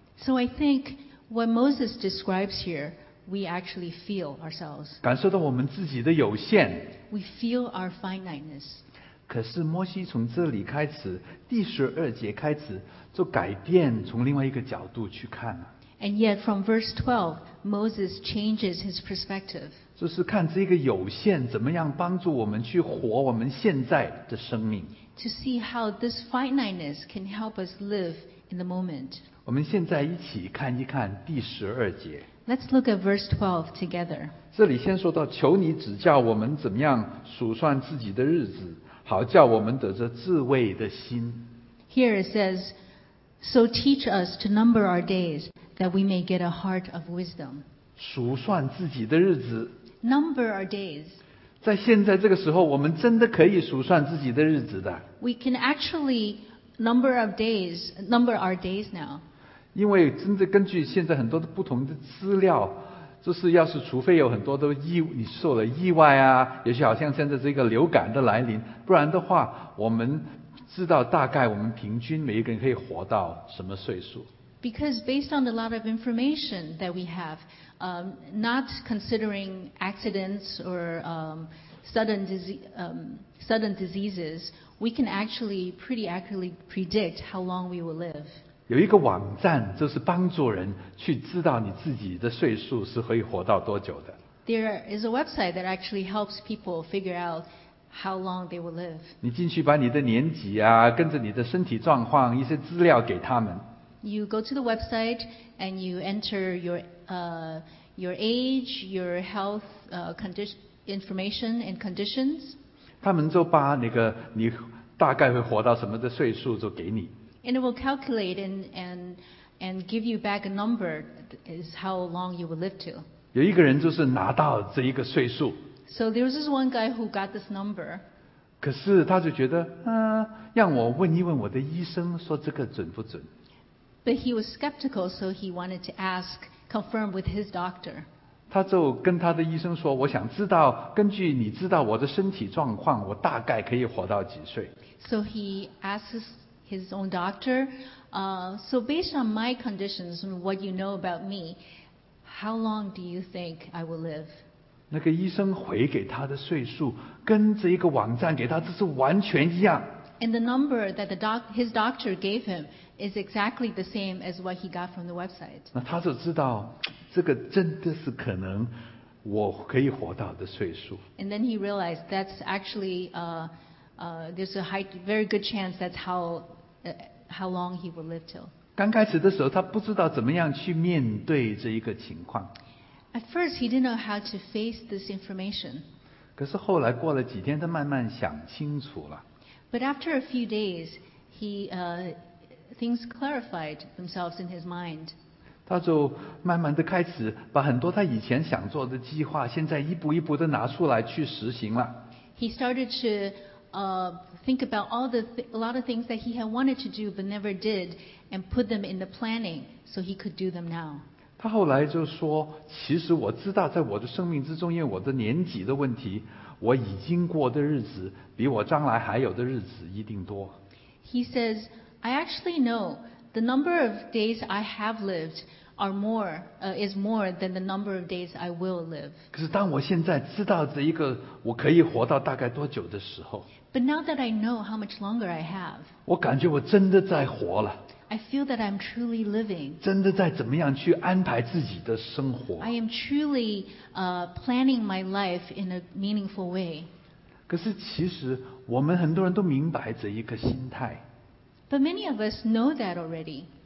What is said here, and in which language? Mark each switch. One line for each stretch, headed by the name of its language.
English: So I think what Moses describes here, we actually feel ourselves.
Chinese: 感受到我们自己的有限。
English: We feel our finiteness.
Chinese: 可是摩西从这里开始，第十二节开始，就改变从另外一个角度去看了。
English: And yet, from verse 12, Moses changes his perspective.
Chinese: 就是看这个有限怎么样帮助我们去活我们现在的生命。
English: To see how this finiteness can help us live in the moment.
Chinese: 我们现在一起看一看第十二节。
English: Let's look at verse 12 together.
Chinese: 这里先说到，求你指教我们怎么样数算自己的日子，好叫我们得着智慧的心。
English: Here it says, So teach us to number our days. That we may get a heart of wisdom.
Chinese: 数算自己的日子。
English: Number our days.
Chinese: 在现在这个时候，我们真的可以数算自己的日子的。
English: We can actually number our days now.
Chinese: 因为真的根据现在很多的不同的资料，就是要是除非有很多的你受了意外啊，也许好像现在这个流感的来临，不然的话，我们知道大概我们平均每一个人可以活到什么岁数。
English: Because based on a lot of information that we have, not considering accidents or sudden diseases, we can actually pretty accurately predict how long we will live.
Chinese: 有一个网站就是帮助人去知道你自己的岁数是可以活到多久的。
English: There is a website that actually helps people figure out how long they will live.
Chinese: 你进去把你的年纪啊，跟着你的身体状况一些资料给他们。
English: You go to the website and you enter your age, your health condition, information and conditions.
Chinese: 他们就把那个你大概会活到什么的岁数就给你。
English: And it will calculate and give you back a number is how long you will live to.
Chinese: 有一个人就是拿到这一个岁数。
English: So there was this one guy who got this number.
Chinese: 可是他就觉得，让我问一问我的医生，说这个准不准。
English: But he was skeptical, so he wanted to ask, confirm with his doctor.
Chinese: 他就跟他的医生说，我想知道，根据你知道我的身体状况，我大概可以活到几岁。
English: So he asked his own doctor, so based on my conditions and what you know about me, how long do you think I will live?
Chinese: 那个医生回给他的岁数，跟这一个网站给他，这是完全一样。
English: And the number that his doctor gave him is exactly the same as what he got from the website.
Chinese: 那他就知道，这个真的是可能我可以活到的岁数。
English: And then he realized that's actually there's a high, very good chance that's how long he will live till.
Chinese: 刚开始的时候，他不知道怎么样去面对这一个情况。
English: At first, he didn't know how to face this information.
Chinese: 可是后来过了几天，他慢慢想清楚了。
English: But after a few days, things clarified themselves in his mind.
Chinese: 他就慢慢地开始把很多他以前想做的计划，现在一步一步地拿出来去实行了。
English: He started to think about a lot of things that he had wanted to do but never did, and put them in the planning so he could do them now.
Chinese: 他后来就说，其实我知道在我的生命之中，因为我的年纪的问题，我已经过的日子比我将来还有的日子一定多。
English: He says, I actually know the number of days I have lived are more, is more than the number of days I will live.
Chinese: 可是当我现在知道这一个我可以活到大概多久的时候，
English: But now that I know how much longer I have,
Chinese: 我感觉我真的在活了。
English: I feel that I'm truly living.
Chinese: 真的在怎么样去安排自己的生活。
English: I am truly planning my life in a meaningful way.
Chinese: 可是其实我们很多人都明白这一个心态。
English: But many of us know that already.